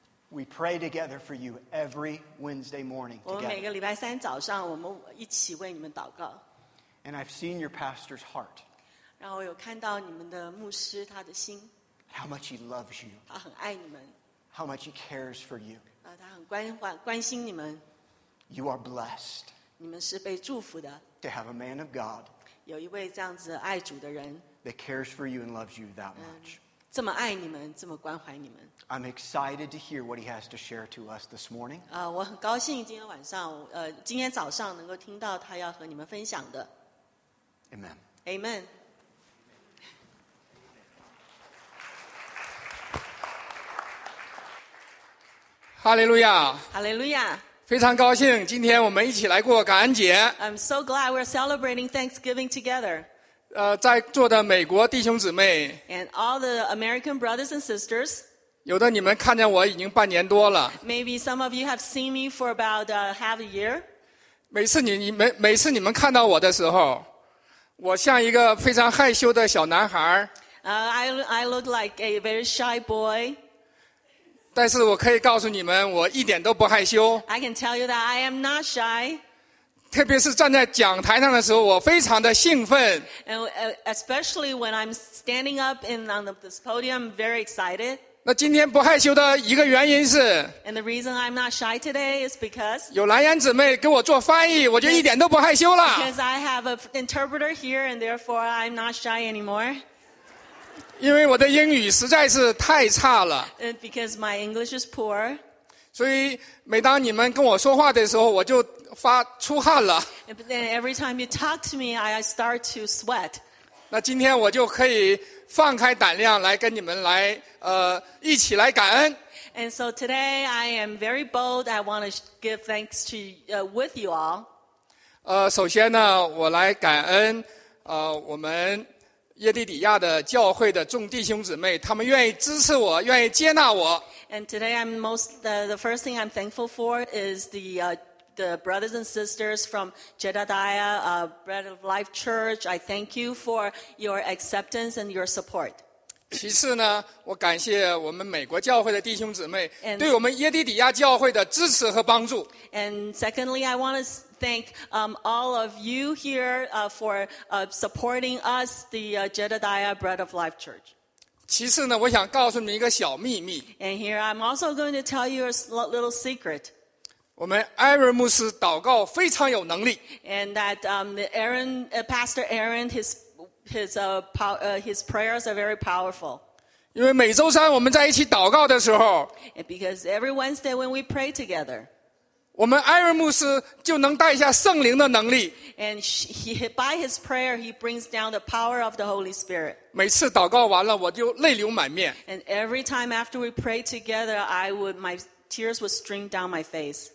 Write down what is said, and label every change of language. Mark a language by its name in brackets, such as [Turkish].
[English] We pray together for you every Wednesday morning together. [Chinese] 我们每个礼拜三早上，我们一起为你们祷告。 [English] And I've seen your pastor's heart. [Chinese] 然后我有看到你们的牧师他的心。 [English] How much he loves you. [Chinese] 他很爱你们。 [English] How much he cares for you. [Chinese] 他很关心你们。 [English] You are blessed. [Chinese] 你们是被祝福的。 [English] To have a man of God. [Chinese] 有一位这样子爱主的人。 [English] That cares for you and loves you that much. [Chinese] 这么爱你们，这么关怀你们。 [English] I'm excited to hear what he has to share to us this morning. [Chinese] 我很高兴今天晚上，今天早上能够听到他要和你们分享的。 [English] Amen. Amen. Hallelujah. Hallelujah. [Chinese] 非常高兴今天我们一起来过感恩节。 [English] I'm so glad we're celebrating Thanksgiving together. [Chinese] 在座的美国弟兄姊妹。 [English] And all the American brothers and sisters. [Chinese] 有的你们看见我已经半年多了。 [English] Maybe some of you have seen me for about half a year. [Chinese] 每次你们看到我的时候我像一个非常害羞的小男孩。 [English] I look like a very shy boy. [Chinese] 但是我可以告诉你们我一点都不害羞。 [English] I can tell you that I am not shy. [Chinese] 特别是站在讲台上的时候我非常的兴奋。 [English] And especially when I'm standing up on this podium, I'm very excited. [Chinese] 那今天不害羞的一个原因是 [English] And the reason I'm not shy today is because [Chinese] 有蓝颜姊妹给我做翻译我就一点都不害羞了。 [English] Because I have an interpreter here and therefore I'm not shy anymore. [Chinese] 因为我的英语实在是太差了。 [English] Because my English is poor. [Chinese] 所以每当你们跟我说话的时候我就发出汗了。 [English] But then every time you talk to me, I start to sweat. [Chinese] 那今天我就可以放开胆量来跟你们来一起来感恩。 [English] And so today I am very bold. I want to give thanks to, with you all. [Chinese] 首先呢我来感恩我们耶利底亚的教会的众弟兄姊妹，他们愿意支持我，愿意接纳我。 [English] And today, I'm most the first thing I'm thankful for is the brothers and sisters from Jedediah Bread of Life Church. I thank you for your acceptance and your support. [Chinese] 其次呢，我感谢我们美国教会的弟兄姊妹对我们耶利底亚教会的支持和帮助。 [English] And secondly, I want to. Thank all of you here for supporting us, the Jedediah Bread of Life Church. [Chinese] 其次呢，我想告诉你们一个小秘密。 [English] And here I'm also going to tell you a little secret. [Chinese] 我们 Aaron 牧师祷告非常有能力。 [English] And that Pastor Aaron, his prayers are very powerful. [Chinese] 因为每周三我们在一起祷告的时候。 [English] And because every Wednesday when we pray together. [Chinese] 我们艾伦牧师就能带下圣灵的能力。 [English] And by his prayer, he brings down the power of the Holy Spirit. [Chinese] 每次祷告完了，我就泪流满面。 [English] And every time after we pray together, my tears would stream down my face.